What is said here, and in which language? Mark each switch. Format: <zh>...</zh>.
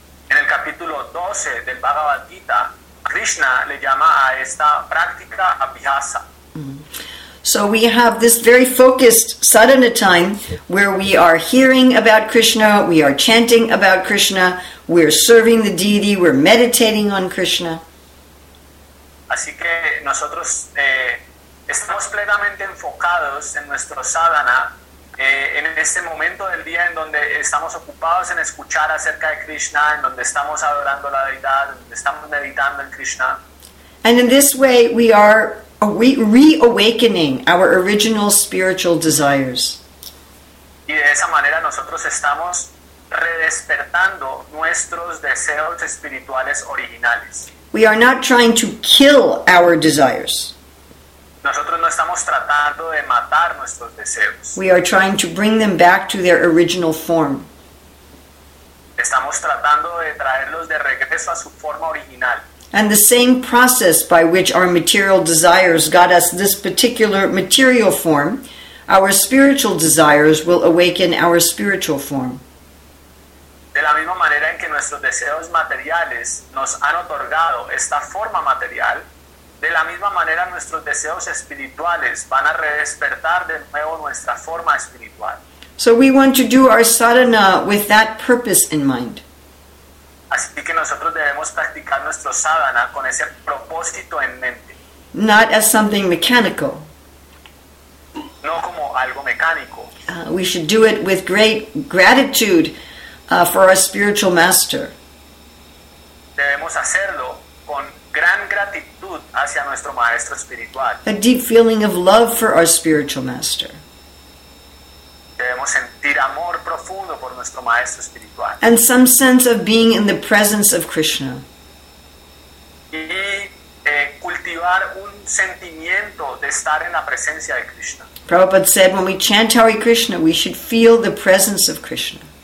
<es>En el capítulo 12 del Bhagavad Gita, Krishna le llama a esta práctica abhyasa.</es> <en>So we have this very focused sadhana time where we are hearing about Krishna, we are chanting about Krishna, we're serving the deity, we're meditating on Krishna.</en> <es>Así que nosotros estamos plenamente enfocados en nuestro sadhana en este momento del día en donde estamos ocupados en escuchar acerca de Krishna, en donde estamos adorando la deidad, donde estamos meditando en Krishna.</es> <en>And in this way we are reawakening our original spiritual desires.</en> <es>Y de esa manera nosotros estamos redespertando nuestros deseos espirituales originales.</es> <en>We are not trying to kill our desires.</en> <es>Nosotros no estamos tratando de matar nuestros deseos.</es> <en>We are trying to bring them back to their original form.</en> <es>Estamos tratando de traerlos de regreso a su forma original.</es> <en>And the same process by which our material desires got us this particular material form, our spiritual desires will awaken our spiritual form.</en> <es>De la misma manera en que nuestros deseos materiales nos han otorgado esta forma material, De la misma manera, nuestros deseos espirituales van a redespertar de nuevo nuestra forma espiritual.</es> <en>So we want to do our sadhana with that purpose in mind.</en> <es>Así que nosotros debemos practicar nuestro sadhana con ese propósito en mente.</es> <en>Not as something mechanical.</en> <es>No como algo mecánico.</es> <en>We should do it with great gratitude for our spiritual master.</en> <es>Debemos hacerlo con gran gratitud hacia nuestro maestro espiritual.</es> <en>A deep feeling of love for our spiritual master.</en> <es>Debemos sentir amor profundo por nuestro maestro espiritual.</es> <en>And some sense of being in the presence of Krishna.</en> <es>Y cultivar un sentimiento de estar en la presencia de Krishna.</es> <en>Prabhupada said, when we chant Hare Krishna, we should feel the presence of Krishna.</en>